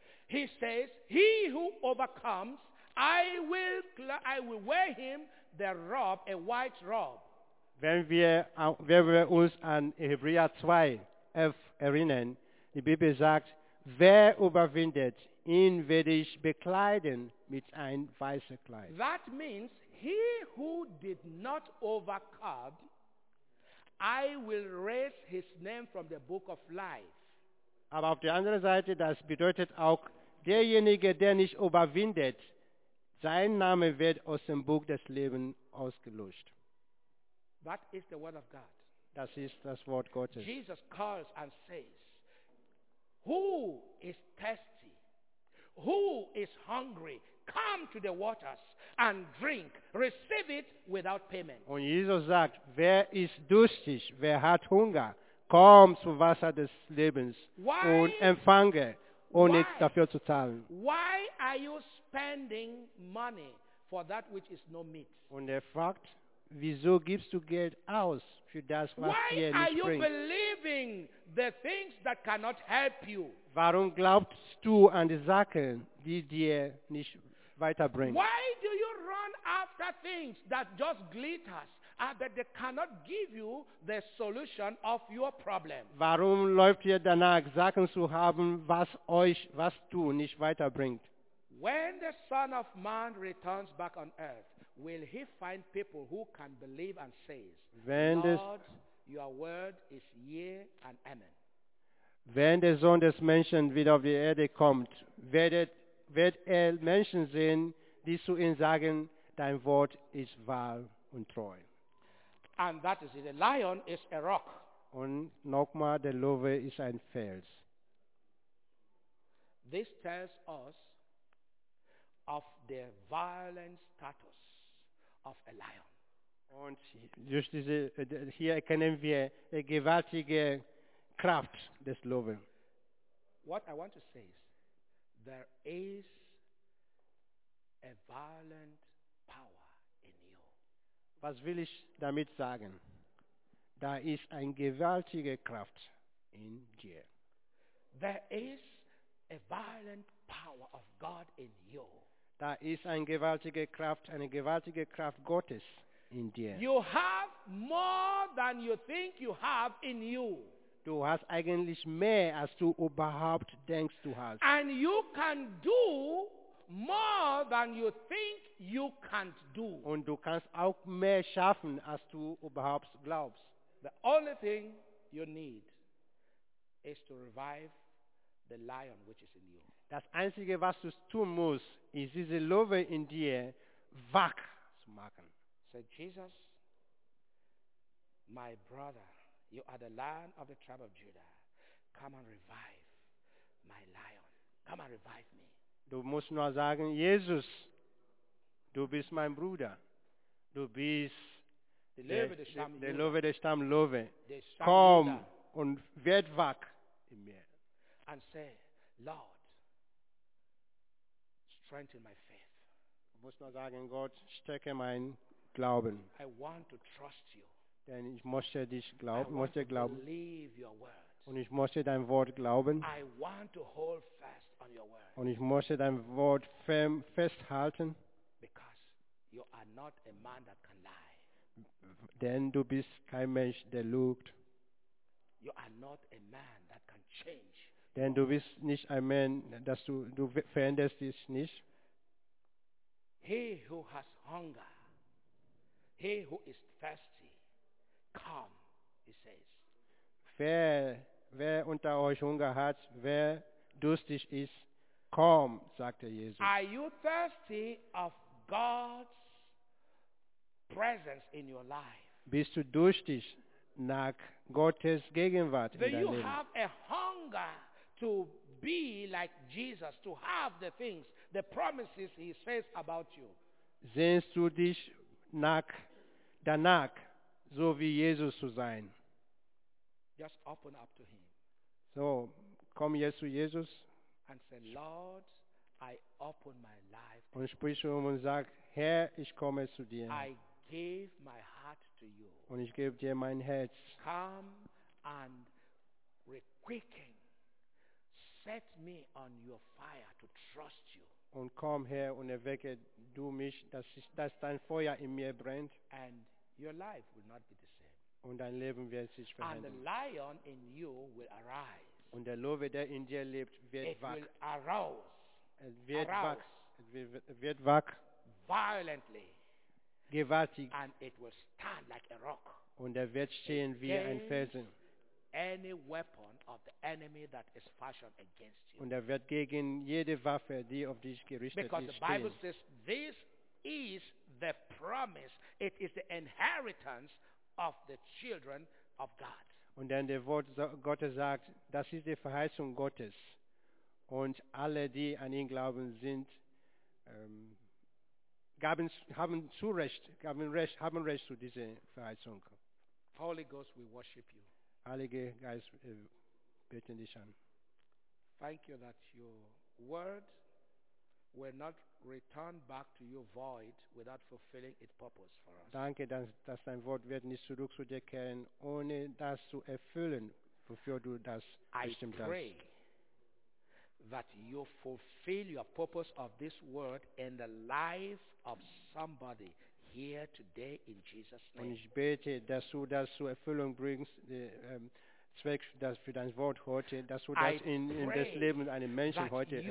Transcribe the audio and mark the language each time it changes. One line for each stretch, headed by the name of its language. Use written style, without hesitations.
English: He says, he who overcomes, I will wear him the robe, a white robe.
German: Wenn wir uns an Hebräer 2, 11 erinnern, die Bibel sagt, wer überwindet, ihn werde ich bekleiden mit einem weißen Kleid.
English: That means, he who did not overcome, I will raise his name from the book of life.
German: Aber auf der anderen Seite, das bedeutet auch, derjenige, der nicht überwindet, sein Name wird aus dem Buch des Lebens ausgelöscht.
English: That is the word of God.
German: Das ist das Wort Gottes.
English: Jesus calls and says, who is thirsty? Who is hungry? Come to the waters and drink. Receive it without payment.
German: Und Jesus sagt, wer ist durstig, wer hat Hunger, komm zum Wasser des Lebens und empfange. Ohne dafür zu zahlen.
English: Why are you spending money for that which is no meat?
German: Und der fragt, wieso gibst du Geld aus für das, was
English: why
German: dir nicht
English: are you believing the things that cannot help you?
German: Warum glaubst du an die Sachen, die dir nicht weiterbringen?
English: Why do you run after things that just glitters? But they cannot give you the solution of your problem.
German: Warum läuft ihr danach, Sachen zu haben, was du nicht weiterbringt?
English: When the Son of Man returns back on earth, will he find people who can believe and say, Lord, your word is yea and amen.
German: Wenn der Sohn des Menschen wieder auf die Erde kommt, wird er Menschen sehen, die zu ihm sagen, dein Wort ist wahr und treu.
English: And that is it. A lion is a rock.
German: Und nochmal, der Löwe ist ein Fels.
English: This tells us of the violent status of a lion.
German: Und just diese, hier erkennen wir die gewaltige Kraft des Löwen.
English: What I want to say is, there is a violent power.
German: Was will ich damit sagen? da ist ein gewaltige Kraft in dir.
English: There is a violent power of God in you.
German: Da ist eine gewaltige Kraft Gottes in dir.
English: You have more than you think you have in you.
German: Du hast eigentlich mehr, als du überhaupt denkst, du hast.
English: And you can do more than you think you can't do.
German: Und du kannst auch mehr schaffen, als du überhaupt glaubst.
English: The only thing you need is to revive the lion which is in you.
German: Das Einzige, was du tun musst, ist diese Löwe in dir wach zu machen.
English: Said Jesus, my brother, you are the lion of the tribe of Judah. Come and revive my lion. Come and revive me.
German: Du musst nur sagen, Jesus, du bist mein Bruder. Du bist der Löwe, der Stamm Löwe. Komm und werd wach in mir.
English: And say, Lord, strengthen my faith.
German: Du musst nur sagen, Gott, stärke mein Glauben.
English: I want to trust you.
German: Denn ich möchte dich glauben, möchte glauben.
English: Believe your words.
German: Und ich möchte dein Wort glauben.
English: I want to hold fast on your word.
German: Und ich möchte dein Wort festhalten.
English: Because you are not a man that can lie.
German: Denn du bist kein Mensch, der lügt.
English: You are not a man that can change.
German: Denn du bist nicht ein Mensch, dass du veränderst dich nicht.
English: He who has hunger, he who is thirsty, come, he says.
German: Wer unter euch Hunger hat, wer durstig ist, komm, sagte Jesus.
English: Are you thirsty of God's presence in your life?
German: Bist du durstig nach Gottes Gegenwart in deinem Leben?
English: Do you have a hunger to be like Jesus, to have the things, the promises he says about you?
German: Sehnst du dich danach, so wie Jesus zu sein?
English: Just open up to him.
German: So, komm jetzt zu Jesus.
English: And say, Lord, I open my life.
German: Und sprich zu ihm und sag, Herr, ich komme zu dir.
English: I give my heart to you.
German: Und ich gebe dir mein Herz.
English: Come and requicken. Set me on your fire to trust you.
German: Und komm her und erwecke du mich, dass dein Feuer in mir brennt.
English: And your life will not be the same.
German: Und dein Leben wird sich verändern.
English: And the lion in you will arise.
German: Und der Löwe, der in dir lebt, wird
English: it
German: wach.
English: Will arouse.
German: Es wird wach. Es wird wach.
English: Violently.
German: Gewaltig.
English: And it will stand like a rock.
German: Und er wird stehen wie ein Felsen.
English: Any weapon of the enemy that is fashioned against you.
German: Und er wird gegen jede Waffe, die auf dich gerichtet ist, stehen.
English: Because the Bible says this is the promise. It is the inheritance of the children of God.
German: Und dann der Wort Gottes sagt, das ist die Verheißung Gottes. Und alle, die an ihn glauben, sind haben Recht zu dieser Verheißung.
English: Holy Ghost, we worship you.
German: Heilige Geist, wir beten dich an.
English: Thank you that your word will not return back to you void without fulfilling its purpose for us.
German: Danke, dass dein Wort wird nicht zurück zu dir kehren, ohne das zu erfüllen, wofür du das bestimmt hast.
English: I pray that you fulfill your purpose of this word in the life of somebody here today in Jesus' name.
German: Und ich bete, dass du das zur Erfüllung bringst, Zweck das für dein Wort heute, dass du das in das Leben eines Menschen heute erfüllst.